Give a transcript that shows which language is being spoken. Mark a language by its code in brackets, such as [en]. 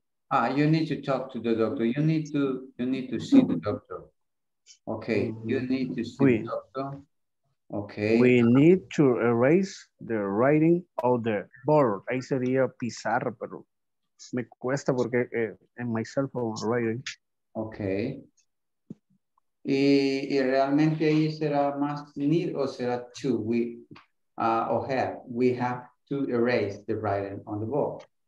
[en] Ah, you need to talk to the doctor. You need to see the doctor. Okay, you need to see the doctor. Okay. We need to erase the writing of the board. [es] Ahí sería pizarra, pero me cuesta porque en [en] my cell phone writing. Okay. [es] Y realmente ahí será más need o será to. [en] We have to erase the writing on the board.